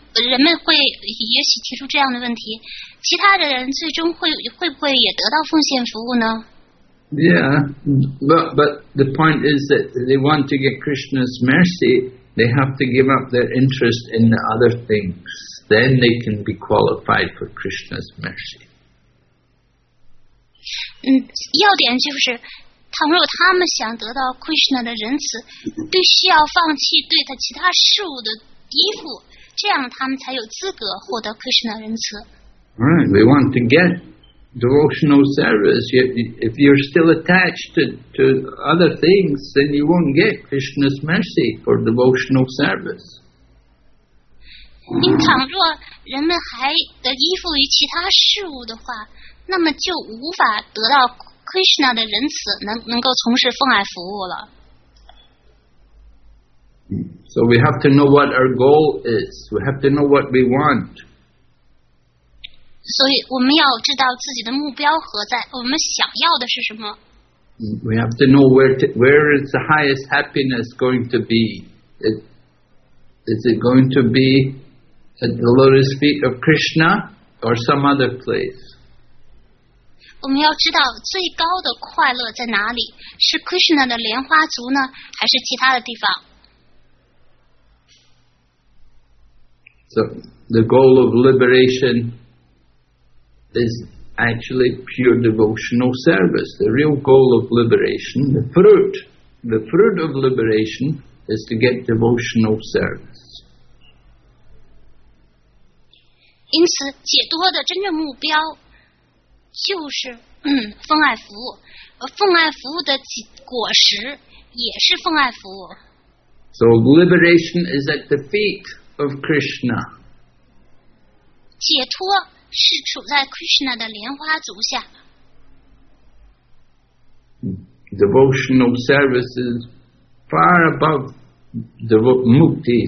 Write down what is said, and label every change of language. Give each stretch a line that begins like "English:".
Chinese: 人们会也许提出这样的问题：其他的人最终会不会也得到奉献服务呢
English: ？Yeah, but the point is that they want to get Krishna's mercy, they have to give up their interest in the other things. Then they can be qualified for Krishna's mercy.
Chinese: 要点就是。倘若他们想得到 Krishna 的仁慈，必须要放弃对他其他事物的依附，这样他们才有资格获得 Krishna 仁慈。
English: Right, we want to get devotional service. If you're still attached to other things, then you won't get Krishna's mercy for devotional service.
Chinese: 因倘若人们还得依附于其他事物的话，那么就无法得到。 Krishna 的仁慈能够从事奉爱服务了。
English: So we have to know what our goal is. We have to know what we want.
Chinese: 所以我们要知道自己的目标何在，我们想要的是什么。
English: We have to know where is the highest happiness going to be. Is it going to be at the lotus feet of Krishna or some other place?
Chinese: 我们要知道最高的快乐在哪里，是 Krishna 的莲花足呢，还是其他的地方？
English: So the goal of liberation is actually pure devotional service. The real goal of liberation, the fruit of liberation is to get devotional service.
Chinese: 因此解脱的真正目标就是奉爱服务，奉爱服务的果实也是奉爱服务。
English: So liberation is at the feet of Krishna.
Chinese: 解脱是处在 Krishna 的莲花足下。
English: Devotional service is far above the mukti.